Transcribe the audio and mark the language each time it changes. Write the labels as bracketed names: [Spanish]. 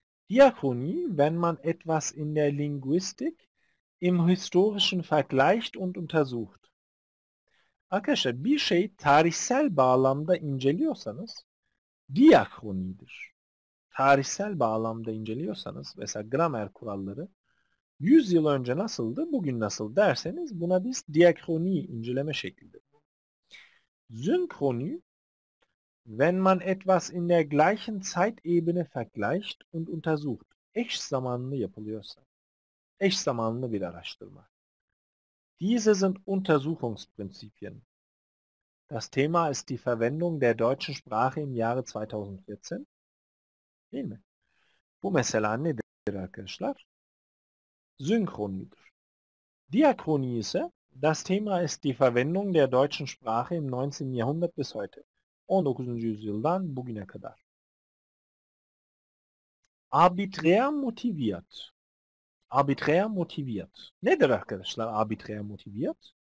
[German] Diachroni, wenn man etwas in der Linguistik im Historischen vergleicht und untersucht. [Turkish] Arkadaşlar. Bir şey tarihsel bağlamda inceliyorsanız diachronidir. Tarihsel bağlamda inceliyorsanız, mesela gramer kuralları 100 yıl önce nasıldı, bugün nasıl derseniz buna biz diachroni inceleme şeklidir. [German] Synchroni, wenn man etwas in der gleichen Zeitebene vergleicht und untersucht. [Turkish] Eş zamanlı yapılıyorsa. Eş zamanlı bir araştırma. [German] Diese sind Untersuchungsprinzipien. Das Thema ist die Verwendung der deutschen Sprache im Jahre 2014. [Turkish] Değil mi? Bu mesela nedir arkadaşlar? Synchronidir. [German] Diachroni ise, das Thema ist die Verwendung der deutschen Sprache im 19. Jahrhundert bis heute. 19. [Turkish] yüzyıldan bugüne kadar. Arbiträr motiviert. Arbiträr motiviert. Nedir arkadaşlar arbiträr motiviert?